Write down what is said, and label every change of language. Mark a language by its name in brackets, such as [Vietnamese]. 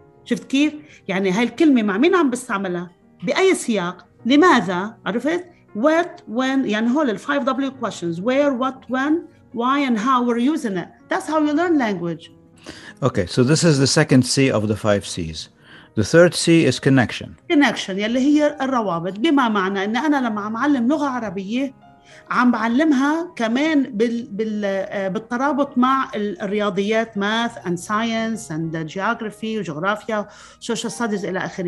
[Arabic] شفت كيف؟ يعني هاي الكلمة مع مين عم بستعملها؟ بأي سياق؟ لماذا؟ عرفت؟ what, when, يعني هول الـ 5W questions, [English] where, what, when, why and how we're using it. That's how you learn language. Okay, so this is the second C of the 5 C's. The third C is connection. [Arabic] Connection, يلي هي الروابط, بما معنى إن أنا لما عم علم لغة عربية عم بعلمها كمان بالترابط مع الرياضيات, [English] math and science and geography [Arabic] وجغرافيا, [English] social studies [Arabic] إلى آخره.